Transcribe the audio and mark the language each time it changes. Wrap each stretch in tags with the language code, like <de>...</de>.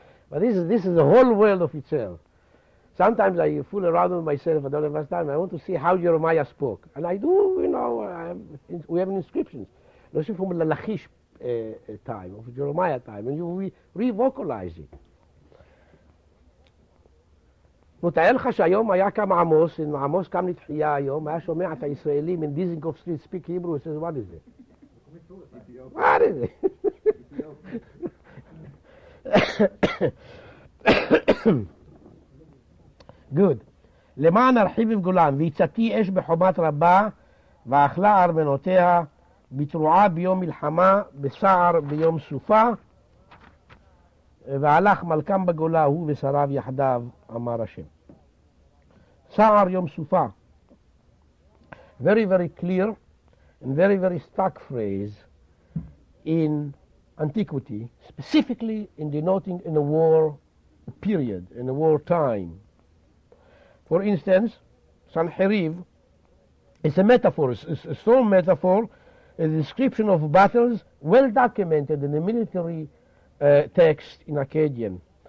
<en>But this is a whole world of itself. Sometimes I fool around with myself. I don't have much time. I want to see how Jeremiah spoke. And I do, we have an inscription. This is from the Lachish time, of Jeremiah time. And we re-vocalize it.</en> <he>ותאר לך שהיום היה קם עמוס, אם עמוס קם לתחייה היום, היה שומע את הישראלים</he> <en>in Dizengoff Street speak Hebrew, he says, what is it?</en> <he>What is it? Good. למען ארחיב עם גולן, ויצאתי אש בחומת רבה, ואכלה ארמנותיה, בתרועה ביום מלחמה, בסער ביום סופה, והלך מלכם בגולה, הוא ושריו יחדיו, אמר השם. Sa'ar Yom Sufa.</he> <en>Very, very clear and very, very stark phrase in antiquity, specifically in denoting in a war period, in a war time. For instance, Sanherib is a metaphor, it's a strong metaphor, a description of battles well documented in the military text in Akkadian.</en>